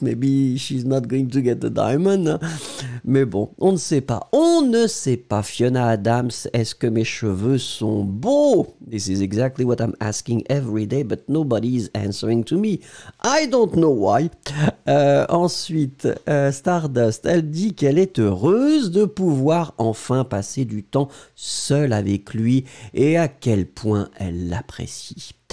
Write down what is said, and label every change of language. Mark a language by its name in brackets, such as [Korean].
[English] Maybe she's not going to get the diamond. [French] Mais bon, on ne sait pas. On ne sait pas. Fiona Adams, est-ce que mes cheveux sont beaux? [English] This is exactly what I'm asking every day, but nobody is answering to me. I don't know why. [French] Ensuite, Stardust, elle dit qu'elle est heureuse de pouvoir enfin passer du temps seule avec lui et à quel point elle l'apprécie.